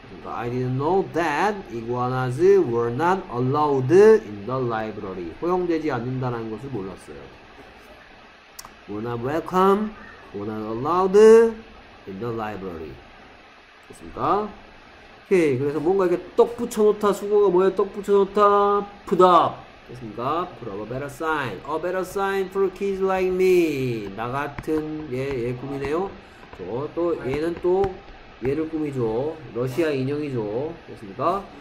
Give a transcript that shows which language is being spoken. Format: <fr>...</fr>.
<en>I didn't know that iguanas were not allowed in the library.</en> <ko>허용되지 않는다는 것을 몰랐어요.</ko> <en>Were not welcome, were not allowed in the library.</en> <ko>됐습니까? 오케이. 그래서 뭔가 이렇게 떡 붙여놓다. 수고가 뭐예요? 떡 붙여놓다.</ko> <en>Put up.</en> <ko>됐습니까?</ko> <en>Put up a better sign. A better sign for kids like me.</en> <ko>나 같은 얘 꿈이네요. 또 얘는 또 얘를 꾸미죠. 러시아 인형이죠. 됐습니까?</ko>